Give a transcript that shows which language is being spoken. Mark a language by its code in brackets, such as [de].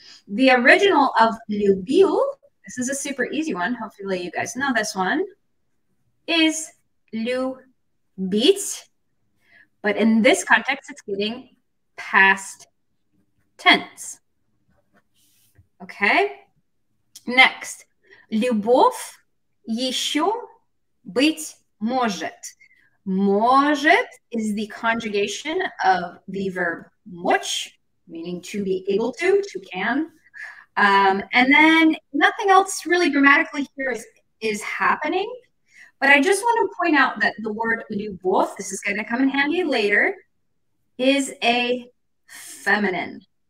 [en] The original of любил, this is a super easy one. Hopefully you guys know this one, is любить. But in this context, it's getting past tense. Okay. Next, [ru] любовь еще быть может. [en] Может is the conjugation of the verb much, meaning to be able to can. And then nothing else really grammatically here is happening. But I just want to point out that the word любовь, this is going to come in handy later, is a feminine.